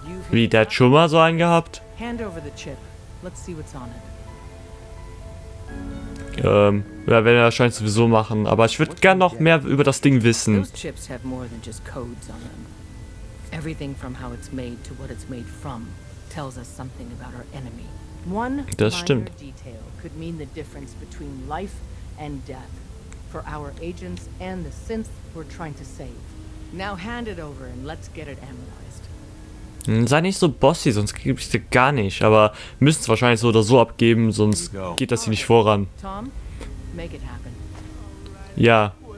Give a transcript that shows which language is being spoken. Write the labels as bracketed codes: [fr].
[en] Wie, der hat schon mal so einen gehabt? Hand over the chip. Let's see what's on it. [de] Ja, werden wir wahrscheinlich sowieso machen, aber ich würde gern noch mehr über das Ding wissen. [en] Those chips have more than just codes on them. Everything from how it's made to what it's made from. Tells us something about our enemy. One minor detail could mean the difference between life and death for our agents and the synths we're trying to save. Now hand it over and let's get it analyzed. [de] Sei nicht so bossy, sonst gebe ich dir gar nicht. Aber müssen es wahrscheinlich so oder so abgeben, sonst geht das hier nicht voran. [en] Tom, make it happen. Ja.